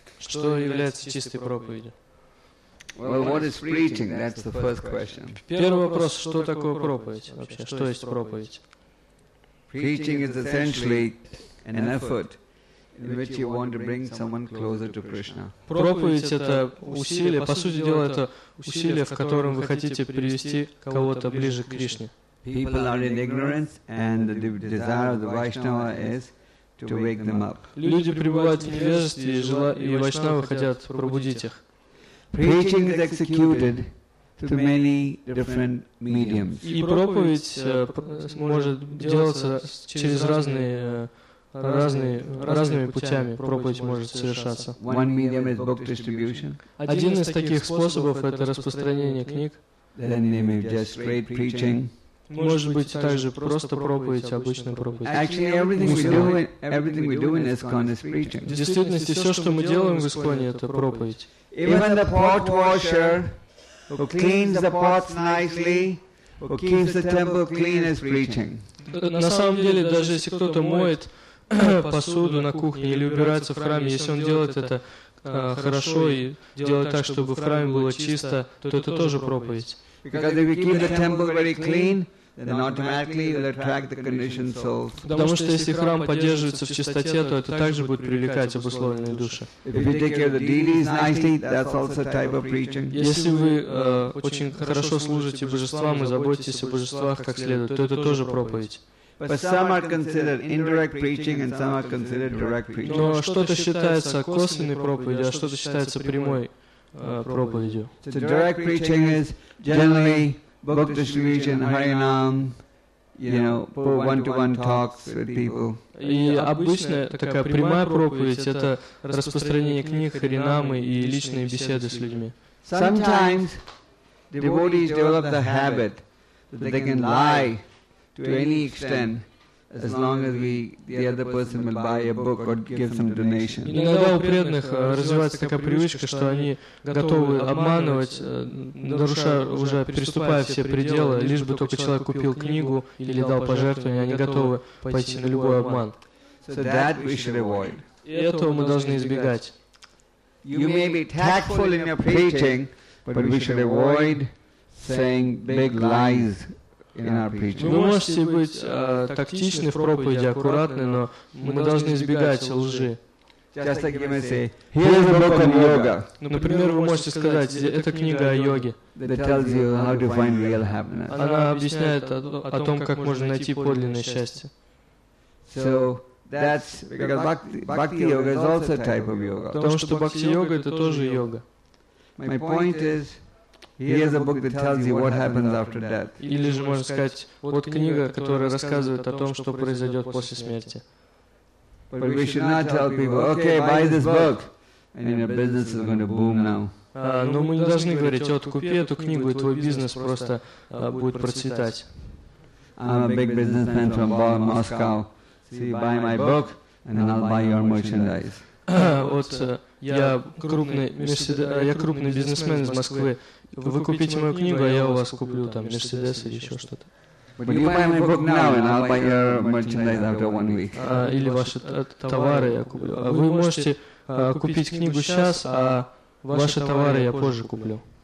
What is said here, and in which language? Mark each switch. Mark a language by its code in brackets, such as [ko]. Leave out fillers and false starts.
[ru] Что является чистой проповедью? [en] Well, what is preaching? That's the first question. [ru] Первый вопрос: что такое проповедь вообще? Что есть проповедь? [en] Preaching is essentially an effort in which you want to bring someone closer to Krishna. [ru] Проповедь — это усилие, по сути дела, это усилие, в котором вы хотите привести кого-то ближе к Кришне. [en] People are in ignorance, and the desire of the Vaishnava is to wake them up. [ru] Люди пребывают в невежестве, и вайшнавы хотят пробудить их. [en] Preaching is executed through many different mediums. [ru] И проповедь может делаться через разными путями. Проповедь может совершаться. [en] One medium is book distribution. [ru] Один из таких способов — это распространение книг. [en] Then they may just straight preaching. [ru] Может быть, также просто проповедь, обычная проповедь. [en] Actually, everything we do in ISKCON is preaching. [ru] В действительности, все, что мы делаем в ISKCON, это проповедь. [en] Even the pot washer who cleans the pots nicely, who keeps the temple clean, is preaching. [ru] На самом деле, даже если кто-то моет посуду на кухне или убирается в храме, если он делает это хорошо и делает так, чтобы в храме было чисто, то это тоже проповедь. [en] Because if we keep the temple very clean, then automatically it will attract the conditioned souls. [ru] Потому что если храм поддерживается в чистоте, то это также будет привлекать обусловленные души. [en] If you take care of the deities nicely, that's also a type of preaching. [ru] Если вы очень хорошо служите божествам и заботитесь о божествах как следует, то это тоже проповедь. [en] But some are considered indirect preaching, and some are considered direct preaching. [ru] Но что-то считается косвенной проповедью, а что-то считается прямой проповедью. [en] So direct preaching is generally book distribution, Harinam, one-to-one talks with people. [ru] И обычная такая прямая проповедь — это распространение книг, Харинамы и личные беседы с людьми. [en] Sometimes devotees develop the habit that they can lie to any extent as long as the other person will buy a book or give some donation. [ru] Иногда у преданных развивается такая привычка, что они готовы обманывать, нарушая, уже переступая все пределы, лишь бы только человек купил книгу или дал пожертвование, они готовы пойти на любой обман. [en] So that we should avoid. [ru] И этого мы должны избегать. [en] You may be tactful in your preaching, but we should avoid saying big lies. [ru] Вы можете быть тактичны в проповеди, аккуратны, но мы должны избегать лжи. [en] Just like you may say, here's a book on yoga. [ru] Например, вы можете сказать, это книга о йоге. [en] That tells you how to find real happiness. [ru] Она объясняет о том, как можно найти подлинное счастье. [en] So that's because bhakti yoga is also a type of yoga. [ru] Потому что бхакти йога — это тоже йога. [en] My point is, here's a book that tells you what happens after death. [ru] Или же можно сказать, вот книга, которая рассказывает о том, что произойдет после смерти. [en] But we should not tell people, okay, buy this book, and your business is going to boom now. [ru] Но мы не должны говорить, вот купи эту книгу, и твой бизнес просто будет процветать. [en] I'm a big businessman from Moscow. So you buy my book, and then I'll buy your merchandise. [ru] Вот я крупный бизнесмен из Москвы. Вы купите мою книгу, а я у вас куплю там Мерседес или еще что-то. Или ваши товары я куплю. Вы можете купить книгу сейчас, а ваши товары я позже куплю.